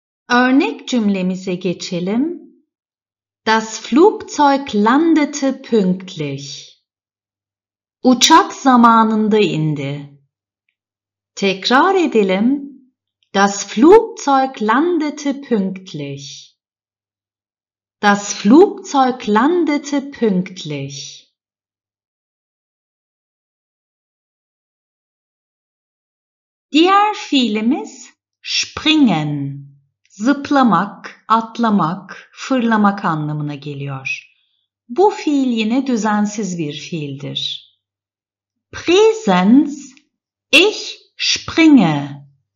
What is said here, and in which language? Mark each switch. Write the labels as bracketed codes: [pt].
[tr] Örnek cümlemize geçelim. [de] Das Flugzeug landete pünktlich. [tr] Uçak zamanında indi. Tekrar edelim. [de] Das Flugzeug landete pünktlich. Das Flugzeug landete pünktlich. [tr] Diğer fiilimiz springen. Zıplamak, atlamak, fırlamak anlamına geliyor. Bu fiil yine düzensiz bir fiildir. [de] Präsens, ich springe.